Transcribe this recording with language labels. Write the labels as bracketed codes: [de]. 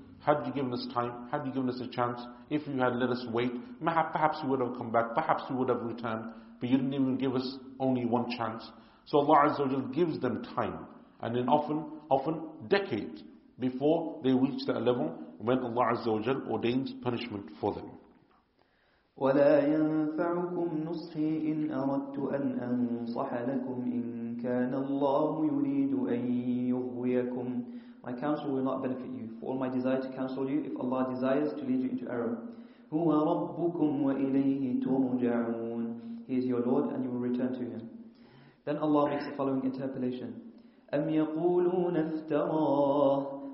[en] Had you given us time, had you given us a chance, if you had let us wait, perhaps we would have come back, perhaps we would have returned, but you didn't even give us only one chance. So Allah Azza wa Jal gives them time, and then often decades before they reach that level, when Allah Azza wa Jal ordains punishment for them. [ar] ولا ينفعكم نصحي إن أردت أن أنصح لكم إن كان الله يريد أن يغويكم. [en] My counsel will not benefit you, for all my desire to counsel you, if Allah desires to lead you into error. [ar] هو ربكم وإليه ترجعون. [en] He is your Lord and you will return to Him. Then Allah makes the following interpolation. [ar] أم يقولون افتراه.